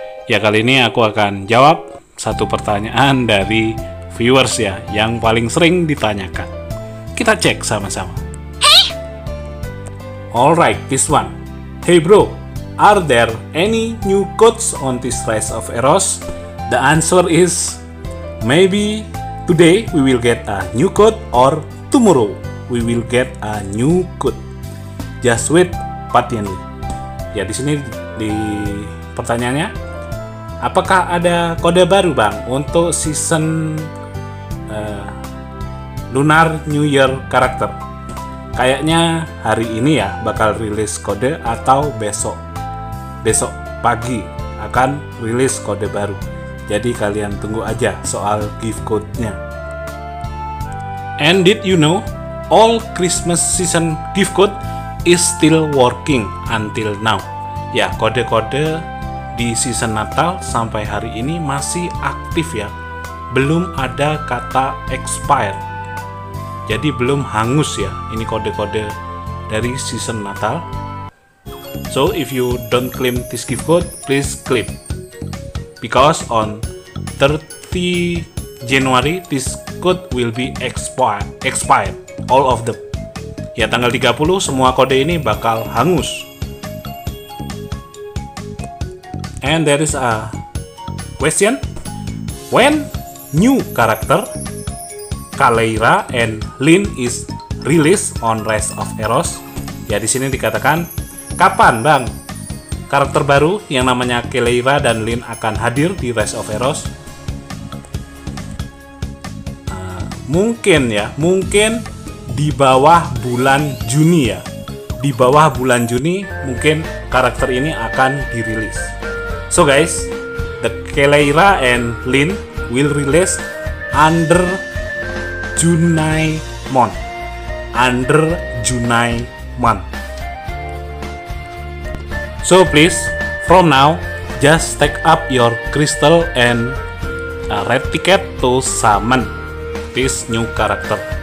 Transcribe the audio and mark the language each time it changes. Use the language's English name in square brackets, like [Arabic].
[Indonesian] Ya, kali ini aku akan jawab satu pertanyaan dari viewers ya, yang paling sering ditanyakan. Kita cek sama-sama. [English] Alright, this one. Hey bro, are there any new codes on this Rise of Eros? The answer is, maybe today we will get a new code or tomorrow we will get a new code. Just wait patiently. [Indonesian] Ya, di sini di pertanyaannya, apakah ada kode baru bang untuk season Lunar New Year karakter? Kayaknya hari ini ya bakal rilis kode atau besok. Besok pagi akan rilis kode baru. Jadi kalian tunggu aja soal gift code-nya. [English] And did you know all Christmas season gift code is still working until now? [Indonesian] Ya, kode-kode di season Natal sampai hari ini masih aktif ya. Belum ada kata expire. Jadi belum hangus ya, ini kode-kode dari season Natal. [English] So if you don't claim this gift code, please claim. Because on 30 January, this code will be expired, all of them. [Indonesian] Ya, tanggal 30, semua kode ini bakal hangus. [English] And there is a question. When new character Kaleira and Lin is released on Rise of Eros. [Indonesian] Ya, di sini dikatakan, kapan bang karakter baru yang namanya Kaleira dan Lin akan hadir di Rise of Eros? Mungkin ya, mungkin di bawah bulan Juni ya. Di bawah bulan Juni mungkin karakter ini akan dirilis. [English] So guys, the Kaleira and Lin will release under Junai month. Under Junai month. So please, from now, just take up your crystal and red ticket to summon this new character.